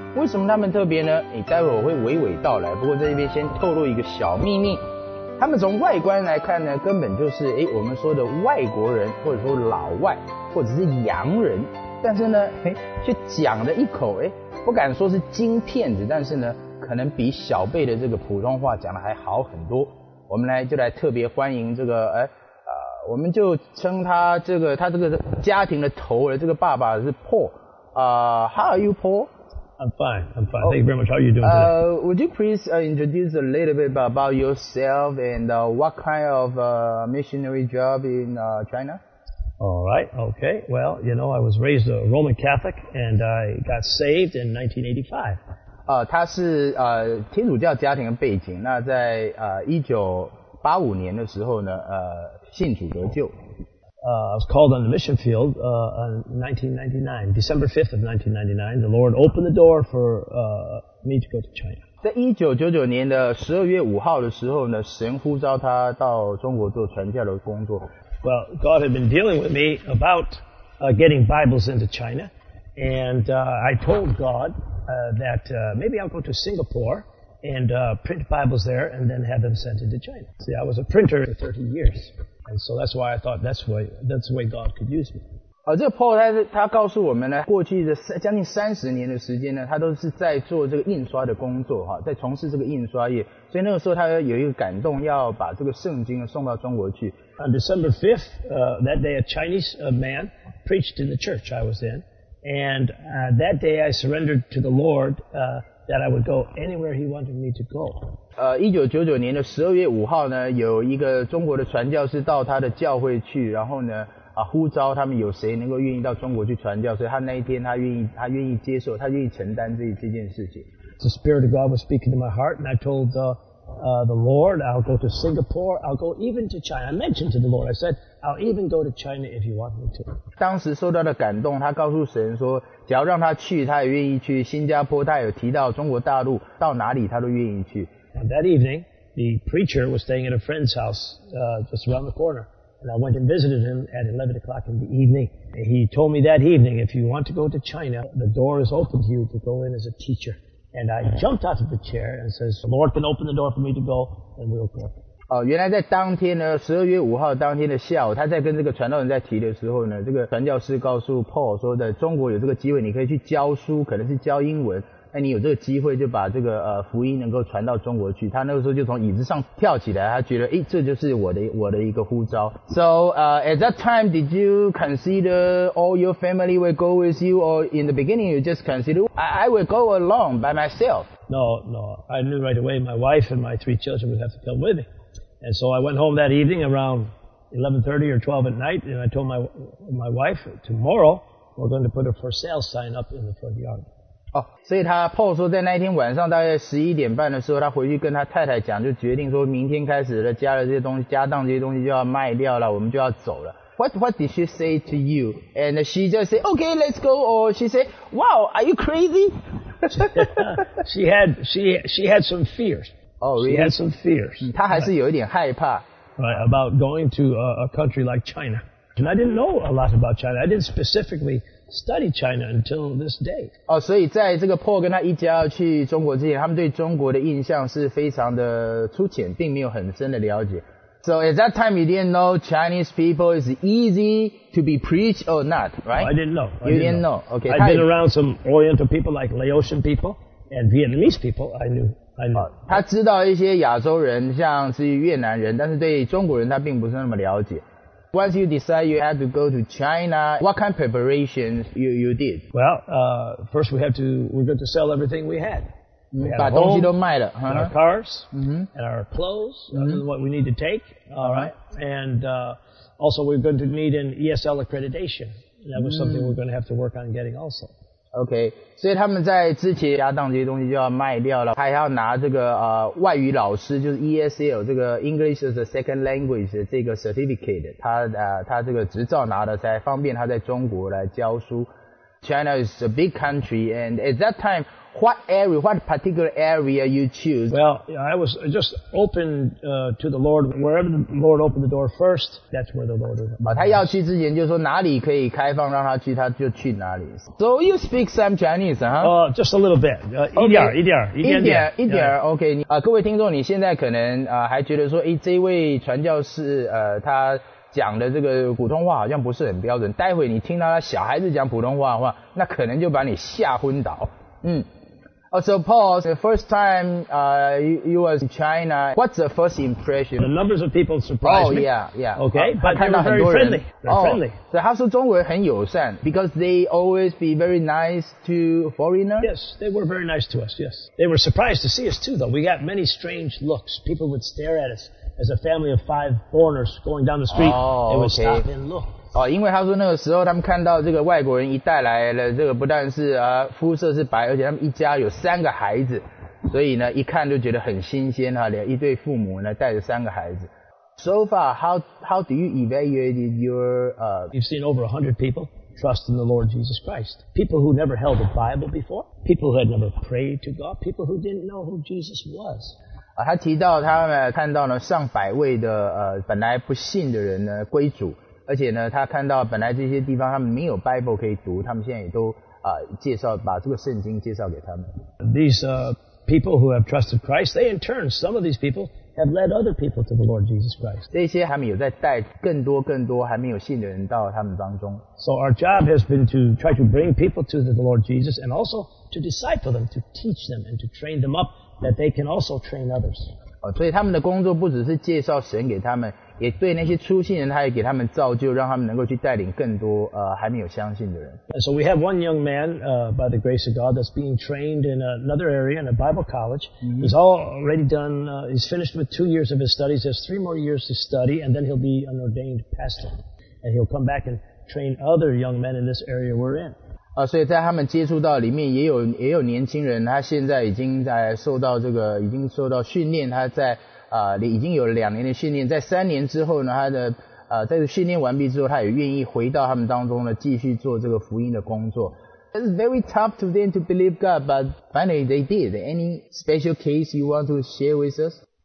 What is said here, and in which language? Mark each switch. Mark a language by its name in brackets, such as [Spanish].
[Chinese] 为什么他们特别呢？待会我会娓娓道来，不过在这边先透露一个小秘密，他们从外观来看呢，根本就是我们说的外国人，或者说老外，或者是洋人，但是呢却讲了一口不敢说是金片子，但是呢可能比小贝的这个普通话讲的还好很多。我们来就来特别欢迎这个我们就称他这个他这个家庭的头儿，这个爸爸是 Paul。 [English] How are you, Paul? I'm fine. Thank you very much. How are you doing today? Would you please introduce a little bit about yourself and what kind of missionary job in China? All right. Okay. Well, you know, I was raised a Roman Catholic and I got saved in 1985. [Chinese] 他是天主教家庭的背景，那在1985年的时候呢信主得救。 [English] I was called on the mission field in 1999, December 5th of 1999, the Lord opened the door for me to go to China. [Chinese] 在1999年的12月5号的时候呢，神呼召他到中国做传教的工作。 [English] Well, God had been dealing with me about getting Bibles into China, and I told God,maybe I'll go to Singapore and print Bibles there and then have them sent into China. See, I was a printer for 30 years. And so that's why I thought that's the way God could use me. [Chinese] 这个 Paul 他告诉我们呢，过去的将近30年的时间呢，他都是在做这个印刷的工作，在从事这个印刷业。所以那个时候他有一个感动，要把这个圣经送到中国去。 [English] On December 5th, that day a Chinese man preached in the church I was in. And that day I surrendered to the Lord that I would go anywhere he wanted me to go. [Chinese] 1999年的12月5号呢，有一个中国的传教士到他的教会去，然后呢呼召他们有谁能够愿意到中国去传教，所以他那一天他愿意接受，他愿意承担这件事情。 [English] The Spirit of God was speaking to my heart and I told the Lord, I'll go to Singapore, I'll go even to China. I mentioned to the Lord, I said, I'll even go to China if you want me to. [Chinese] 当时受到的感动，他告诉神说，只要让他去，他也愿意去。新加坡，他有提到中国大陆，到哪里他都愿意去。 [English] On that evening, the preacher was staying at a friend's house, just around the corner. And I went and visited him at 11 o'clock in the evening. He told me that evening, if you want to go to China, the door is open to you to go in as a teacher. And I jumped out of the chair and says, the Lord can open the door for me to go, and we'll go. [Chinese] 原来在当天呢 ,12 月5号当天的下午，他在跟这个传道人在提的时候呢，这个传教士告诉 Paul 说，在中国有这个机会，你可以去教书，可能是教英文，那你有这个机会就把这个福音能够传到中国去。他那个时候就从椅子上跳起来，他觉得这就是我的一个呼召。 [English] So, at that time, did you consider all your family will go with you, or in the beginning you just considered, I will go alone by myself? No. I knew right away my wife and my three children would have to come with me. And so I went home that evening around 11:30 or 12 at night, and I told my wife, tomorrow we're going to put a for sale sign up in the front yard. [Chinese] 所以他 Paul 说在那一天晚上大概11点半的时候，他回去跟他太太讲，就决定说明天开始的家的这些东西，家当这些东西就要卖掉了，我们就要走了。 [English] What did she say to you? And she just say, okay, let's go. Or she say, wow, are you crazy? she had some fears. Oh, really? She had some fears. [Chinese] 她还是有一点害怕。 [English] Right, about going to a country like China. And I didn't know a lot about China. I didn't specifically study China until this day. [Chinese] 哦，所以在这个 Paul 跟他一家去中国之前，他们对中国的印象是非常的粗浅，并没有很深的了解。 [English] So at that time, you didn't know Chinese people is easy to be preached or not, right? Oh, I didn't know. You didn't know. Okay. I've been around some Oriental people like Laotian people and Vietnamese people. I knew. [Chinese] 他知道一些亚洲人，像是越南人，但是对中国人他并不是那么了解。 [English] Once you decide you had to go to China, what kind of preparations you did? Well, first we're going to sell everything we had. We had our home, our cars, and our clothes, what we need to take. All right. And also we're going to need an ESL accreditation. That was something we're going to have to work on getting also. [Chinese] Okay. 所以他们在之前家当这些东西就要卖掉了，还要拿这个外语老师，就是 ESL 这个 [English] English as a Second Language [Chinese] 的这个 certificate， 他这个执照拿的才方便他在中国来教书。 [English] China is a big country, and at that time, what particular area you choose? Well, I was just open to the Lord. Wherever the Lord opened the door first, that's where the Lord is. [Chinese] 他要去之前就说哪里可以开放让他去，他就去哪里。 [English] So you speak some Chinese, huh? Just a little bit. [Chinese] 一点点。 [English] OK. [Chinese] 各位听众，你现在可能还觉得说，这位传教士他讲的这个普通话好像不是很标准，待会你听到他小孩子讲普通话的话，那可能就把你吓昏倒。 [English] So Paul, the first time you was in China, what's the first impression? The numbers of people surprised me. Oh, yeah, yeah. Okay, but they were very friendly. So [Chinese] 他说中国人很友善 [English] because they always be very nice to foreigners? Yes, they were very nice to us, yes. They were surprised to see us too, though. We got many strange looks. People would stare at us as a family of five foreigners going down the street. They would stop and look. [Chinese] 因为他说那个时候他们看到这个外国人一带来了这个不但是肤色是白，而且他们一家有三个孩子，所以呢一看就觉得很新鲜哈，一对父母呢带着三个孩子。 [English] So far, how do you evaluate your You've seen over 100 people trust in the Lord Jesus Christ. People who never held a Bible before, people who had never prayed to God, people who didn't know who Jesus was. [Chinese] 他提到他们看到了上百位的本来不信的人呢归主。而且呢他看到本来这些地方他们没有 Bible 可以读，他们现在也都介绍把这个圣经介绍给他们。 [English] These people who have trusted Christ, they in turn, some of these people have led other people to the Lord Jesus Christ. [Chinese] 这些他们有在带更多还没有信的人到他们当中。 [English] So our job has been to try to bring people to the Lord Jesus and also to disciple them, to teach them and to train them up that they can also train others. [Chinese] 所以他们的工作不只是介绍神给他们，也对那些初信人，他也给他们造就，让他们能够去带领更多还没有相信的人。 [English] So we have one young man by the grace of God that's being trained in another area in a Bible college. He's already done. He's finished with 2 years of his studies. There's 3 more years to study, and then he'll be an ordained pastor, and he'll come back and train other young men in this area we're in. [Chinese] 所以在他们接触到里面，也有年轻人，他现在已经在受到这个已经受到训练，他在。已经有两年的训练，在三年之后呢，他的在训练完毕之后，他也愿意回到他们当中呢，继续做这个福音的工作。 [English] It's very tough to them to believe God, but finally they did. Any special case you want to share with us?